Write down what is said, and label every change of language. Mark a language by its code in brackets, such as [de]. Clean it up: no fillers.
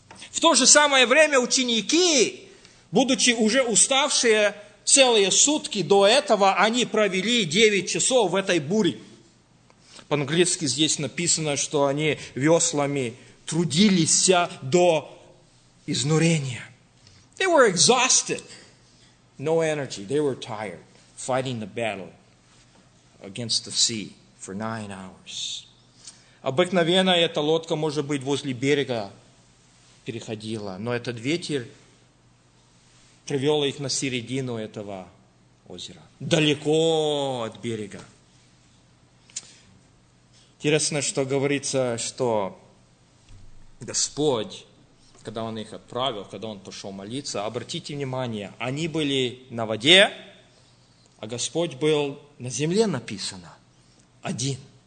[ru] В то же самое время ученики, будучи уже уставшие целые сутки до этого, они провели 9 часов в этой буре. По-английски здесь написано, что они веслами трудились до изнурения. [en] They were exhausted. No energy. They were tired fighting the battle against the sea for 9 hours. [ru] Обыкновенно эта лодка, может быть, возле берега переходила, но этот ветер привел их на середину этого озера, далеко от берега. Интересно, что говорится, что Господь, когда Он их отправил, когда Он пошел молиться, обратите внимание, они были на воде, а Господь был на земле, написано, один.